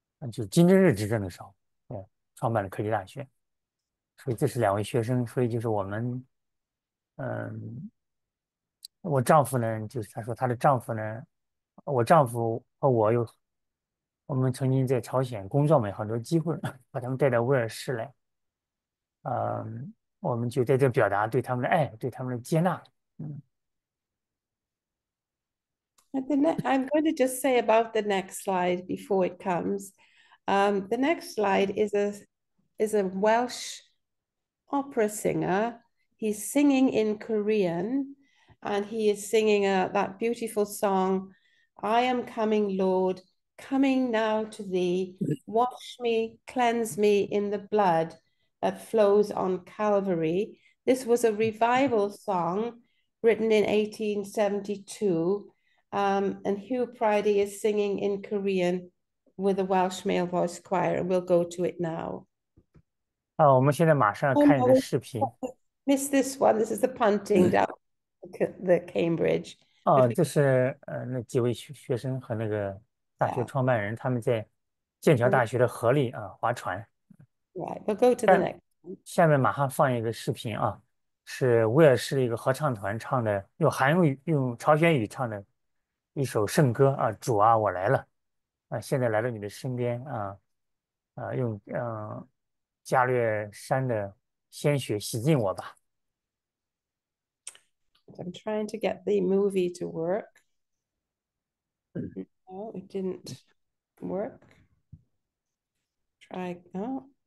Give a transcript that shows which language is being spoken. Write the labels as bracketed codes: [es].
[zh] 就金正日执政的时候，对，创办了科技大学，所以这是两位学生，所以就是我们，我丈夫呢，就是他说他的丈夫呢，我丈夫和我有。我们曾经在朝鲜工作嘛，很多机会把他们带到威尔士来，我们就在这表达对他们的爱，对他们的接纳。 [en] I'm going to just say about the next slide before it comes. The next slide is a Welsh opera singer. He's singing in Korean, and he is singing that beautiful song, "I am coming, Lord." Coming now to thee, wash me, cleanse me in the blood that flows on Calvary. This was a revival song written in 1872. And Hugh Priday is singing in Korean with a Welsh male voice choir. And we'll go to it now. [zh] 我们现在马上要看一个视频。 [en] Miss this one. This is the punting down the Cambridge. [zh] 这是那几位学生和那个。大学创办人他们在剑桥大学的河里啊划船。 [en] Right, we'll go to the next. [zh] 下面马上放一个视频啊，是威尔士的一个合唱团唱的，用韩语用朝鲜语唱的一首圣歌啊，主啊我来了，现在来到你的身边啊，用加略山的鲜血洗净我吧。 [en] I'm trying to get the movie to work. Oh, it didn't work. Try now.